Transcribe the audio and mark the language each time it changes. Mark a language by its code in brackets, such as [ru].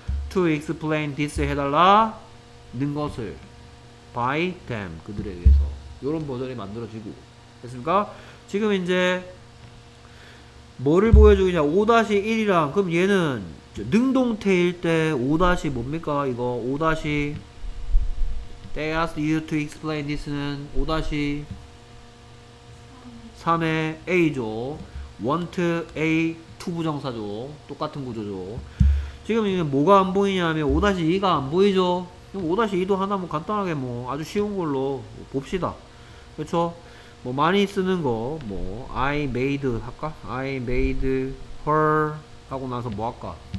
[en] To explain this [ko] 해달라? 는 것을. [en] By them. [ko] 그들에 의해서. 요런 버전이 만들어지고. 됐습니까? 지금 이제 뭐를 보여주냐? 5-1이랑 그럼 얘는 능동태일 때 5-뭡니까? 이거 5-. [en] They asked you to explain this는 [ko] 5-3의 A죠. Want A 투부정사죠. 똑같은 구조죠. 지금 이게 뭐가 안 보이냐면 5-2가 안 보이죠. 그럼 5-2도 하나 뭐 간단하게 뭐 아주 쉬운 걸로 봅시다. 그렇죠? 뭐 많이 쓰는 거 뭐 [en] I made [ko] 할까? [en] I made her [ko] 하고 나서 뭐 할까?